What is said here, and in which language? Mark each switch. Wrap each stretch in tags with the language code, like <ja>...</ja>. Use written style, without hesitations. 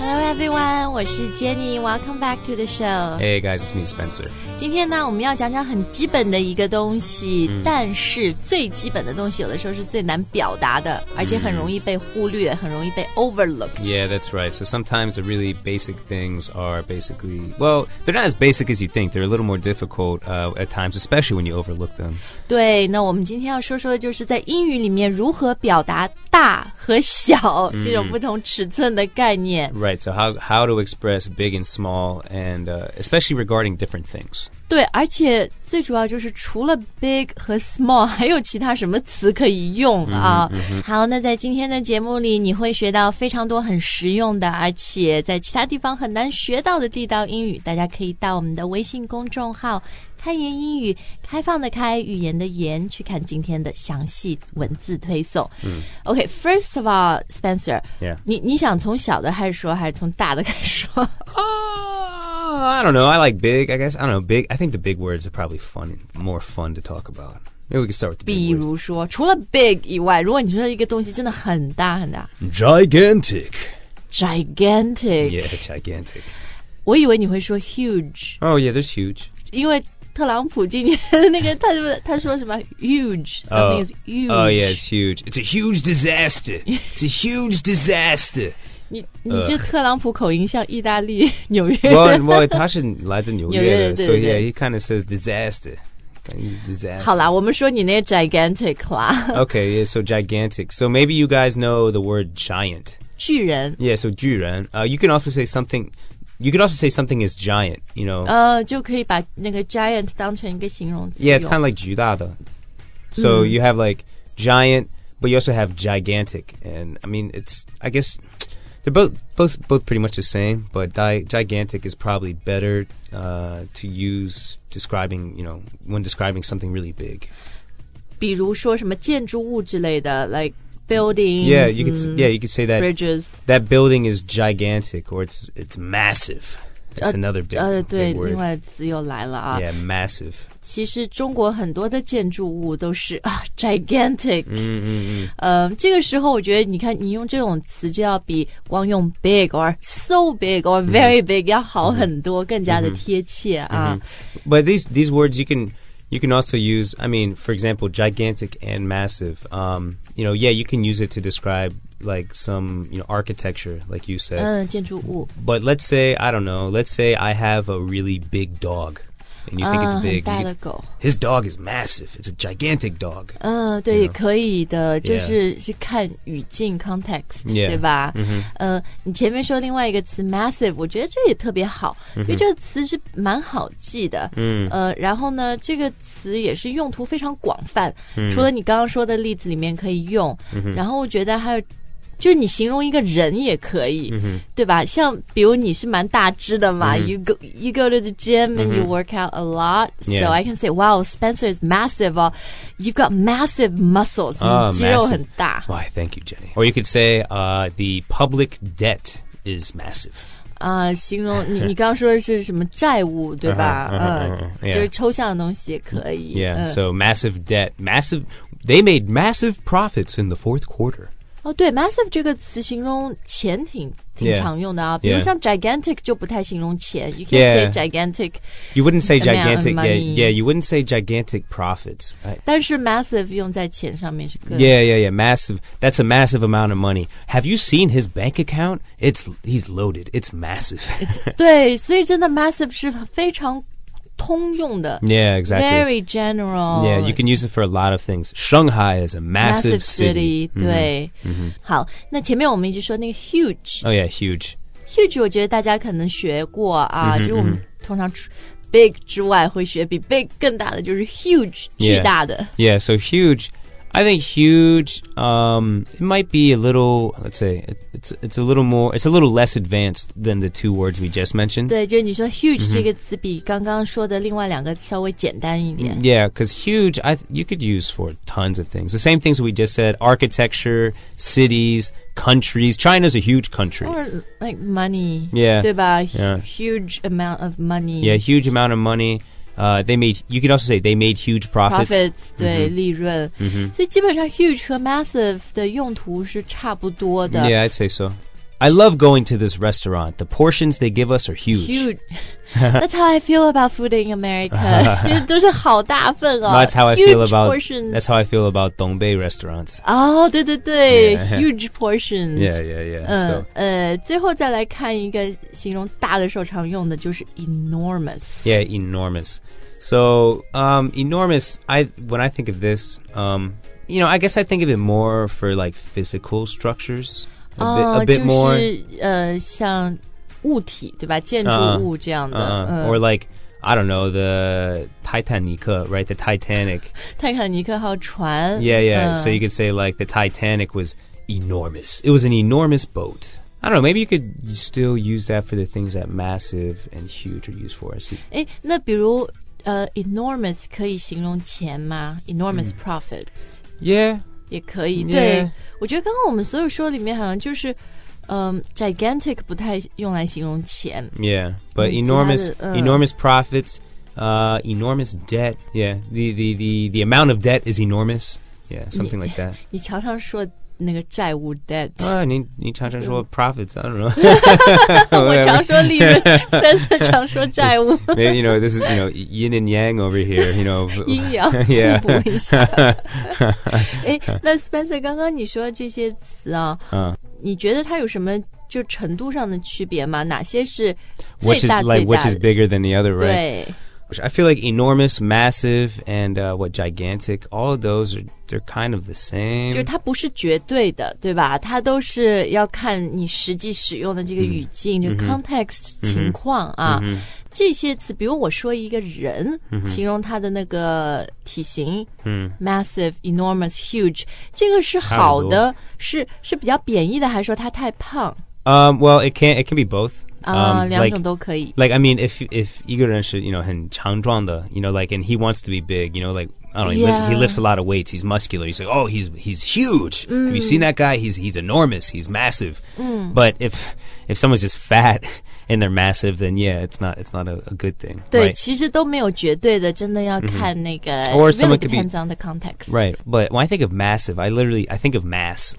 <en>everyone,</en> <zh>我是</zh> <en>Jenny. Welcome back to the show. Hey guys, it's me, Spencer.</en> <zh>今天呢，我们要讲讲很基本的一个东西，但是最基本的东西有的时候是最难表达的，而且很容易被忽略，很容易被 overlooked.</zh> <en>Yeah, that's right. So sometimes the really basic things are basically, well, they're not as basic as you think. They're a little more difficult, at times, especially when you overlook them.</en> <zh>对，那我们今天要说说就是在英语里面如何表达大和小这种不同尺寸的概念。</zh> <en>Right, so how to express big and small, and especially regarding different things.</en> <zh>对，而且最主要就是除了 big 和 small, 还有其他什么词可以用啊。好，那在今天的节目里你会学到非常多很实用的，而且在其他地方很难学到的地道英语，大家可以到我们的微信公众号开言英语，开放的开，语言的言，去看今天的详细文字推送。</zh> <en>OK, first of all, Spencer, yeah.</en> <zh>你想从小的开始说还是从大的开始说？</zh> <en>I don't know, I like big, I guess, I don't know, big, I think the big words are probably fun, more fun to talk about. Maybe we can start with the big words.</en> <zh>比如说，除了 big 以外，如果你说一个东西真的很大很大。</zh> <en>Gigantic. Gigantic. Yeah, gigantic.</en> <zh>我以为你会说 huge.</zh> <en>Oh yeah, there's huge.</en> <zh>因为特朗普今年那个他说什么 huge,</zh> <en>something is huge. Oh yeah, it's huge. It's a huge disaster. It's a huge disaster.</en> <zh>你这特朗普口音像意大利纽约的。</zh> <en>Well,</en> <zh>他是来自纽约的，对对对。</zh> <en>So yeah, he kind of says disaster. Disaster.</en> <zh>好啦，我们说你那 gigantic 啦。</zh> <en>Okay, yeah, so gigantic. So maybe you guys know the word giant.</en> <zh>巨人。</zh> <en>Yeah, so 巨人。 You can also say something... You could also say something is giant, you know.</en> <zh>就可以把那个 giant 当成一个形容词。</zh> <en>Yeah, it's kind of like 巨大的。 So you have like giant, but you also have gigantic. And I mean, it's, I guess, they're both pretty much the same, but gigantic is probably better, to use describing, you know, when describing something really big.</en> <zh>比如说什么建筑物之类的</zh> <en>like,Buildings, yeah, you could, yeah, you could say that. Bridges. That building is gigantic, or it's massive. That's another big, big word.</en> <zh>对，另外词又来了啊。</zh> <en>Yeah, massive.</en> <zh>其实中国很多的建筑物都是啊 gigantic. 这个时候我觉得你看你用这种词就要比光用</zh> <en>big or so big or very big</en> <zh>要好很多，更加的贴切啊。</zh> <en>But these words you can also use, I mean, for example, gigantic and massive. You know, yeah, you can use it to describe, like, some, you know, architecture, like you said.</en> <zh>建筑物。</zh> <en>But let's say, I don't know, let's say I have a really big dog. And you think it's big.</en> <zh>很大的狗。</zh> <en>His dog is massive. It's a gigantic dog.</en> <zh>对，</zh> <en>you know?</en> <zh>可以的。就是 去看语境 context,</zh> <en>yeah.</en> <zh>对吧？你前面说另外一个词 massive, 我觉得这也特别好。因为这个词是蛮好记的。然后呢，这个词也是用途非常广泛。除了你刚刚说的例子里面可以用。然后我觉得还有就是你形容一个人也可以、对吧，像比如你是蛮大只的嘛、</zh> <en>you go to the gym、and you work out a lot、so I can say wow Spencer is massive、you've got massive muscles、</en> <zh>肌肉很大、</zh> <en>massive. Why thank you Jenny or you could say、the public debt is massive、</en> <zh>形容你刚刚说的是什么债务对吧、</zh> <en>yeah.</en> <zh>就是抽象的东西也可以</zh> <en>yeah、so massive debt massive they made massive profits in the fourth quarter</en> <zh>对 massive 这个词形容钱挺常用的啊</zh> <en>yeah,</en> <zh>比如像 gigantic 就不太形容钱</zh> <en>you can say gigantic you wouldn't say gigantic yeah you wouldn't say gigantic profits</en> <zh>但是 massive 用在钱上面是个</zh> <en>yeah massive that's a massive amount of money have you seen his bank account he's loaded it's massive</en> <zh>it's, 对所以真的 massive 是非常通用的</zh> <en>yeah exactly very general yeah you can use it for a lot of things Shanghai is a massive</en> <zh>city、对、好那前面我们一直说那个 huge</zh> <en>oh yeah huge</en> <zh>huge 我觉得大家可能学过啊、就是我们通常 big 之外会学比 big 更大的就是 huge 巨大的</zh> <en>yeah so huge I think huge it might be a little let's say it's a little more it's a little less advanced than the two words we just mentioned</en> <zh>对就是你说 huge 这个词比刚刚说的另外两个稍微简单一点</zh> <en>yeah because huge you could use for tons of things the same things we just said architecture cities countries China's a huge country or like money yeah</en> <zh>对吧</zh> <en>huge amount of money yeah huge amount of moneyYou could also say they made huge profits.</en> <zh>对利润、所以基本上 huge 和 massive 的用途是差不多的</zh> <en>Yeah, I'd say so I love going to this restaurant. The portions they give us are huge. Huge. That's how I feel about food in America.</en> <zh>都是好大份哦。</zh> <en>That's how I feel about portions. That's how I feel about Dongbei restaurants.</en> <zh>哦、oh, 对对对、yeah.</zh> <en>Huge portions. Yeah, yeah, yeah.</en> <zh>最后再来看一个形容大的时候常用的就是 enormous.</zh> <en>Yeah, enormous. So, enormous, when I think of this, you know, I guess I think of it more for like physical structures. A bit more.</en> <zh>像物体对吧建筑物这样的</zh> <en>Or like, I don't know, the Titanic, right? The Titanic.</en> <zh>泰坦尼克号船</zh> <en>Yeah, yeah. So you could say like the Titanic was enormous. It was an enormous boat. I don't know, maybe you could still use that for the things that massive and huge are used for. See.</en> <zh>那比如enormous 可以形容钱吗</zh> <en>Enormous profits. Yeah.</en> <zh>也可以、yeah. 对我觉得刚刚我们所有说里面好像就是gigantic 不太用来形容钱</zh> <en>Yeah, but enormous, enormous profits, enormous debt. Yeah, the amount of debt is enormous. Yeah, something like that.</en> <zh>你常常说那个债务 debt. 你常常说 profits,</zh> <en>I don't know.</en> <zh>我常说利润 Spencer 常说债务</zh> <en>Maybe, You know, this is, you know, yin and yang over here, you know.</en> <zh>阴阳互补一下那 Spencer 刚刚你说的这些词啊你觉得它有什么就程度上的区别吗？哪些是最大</zh> <en>which is,</en> <zh>最大的</zh> <en>like, which is bigger than the other, right? I feel like enormous, massive, and what, gigantic, all of those are, they're kind of the same.</en> <zh>就是它不是绝对的，对吧？它都是要看你实际使用的这个语境，就 context 情况啊。这些词，比如我说一个人，形容他的那个体型 ，massive, enormous, huge， 这个是好的，是比较贬义的，还是说他太胖</zh> <en>？Well, it can be both.</en> <zh>两种都可以。</zh> <en>Like I mean, if</en> <zh>一个人是</zh> <en>you know</en> <zh>很强壮的</zh> <en>，you know like and he wants to be big, you know like I don't know, he lifts a lot of weights, he's muscular. You say, oh, he's huge. Have you seen that guy? He's enormous. He's massive. But if someone's just fat. And they're massive, then yeah, it's not a good thing.</en> <zh>对、</zh> <en>right?</en> <zh>其实都没有绝对的真的要看那个、</zh> <en>Or someone could be, depends on the context. Right, but when I think of massive, I think of mass.</en>